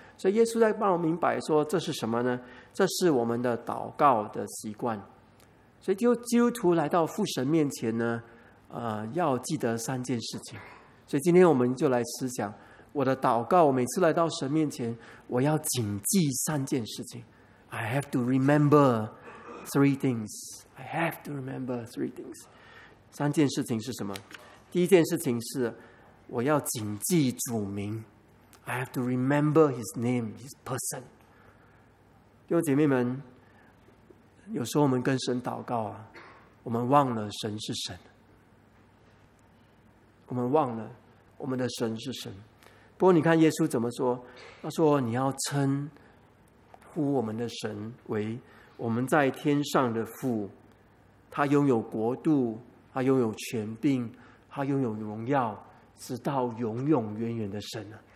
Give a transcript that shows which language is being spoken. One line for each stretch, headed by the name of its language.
Chinese: 所以耶稣在帮我明白说这是什么呢？这是我们的祷告的习惯。所以基督徒来到父神面前呢要记得三件事情。所以今天我们就来思想我的祷告，我每次来到神面前我要谨记三件事情。
English: I have to remember three things， I have to remember three things。
Chinese: 三件事情是什么？第一件事情是我要谨记主名。
English: I have to remember his name, his person。
Chinese: 弟兄姐妹们，有时候我们跟神祷告我们忘了神是神，我们忘了我们的神是神。不过你看耶稣怎么说，他说你要称呼我们的神为我们在天上的父，他拥有国度，他拥有权柄，他拥有荣耀，直到永永远远的神。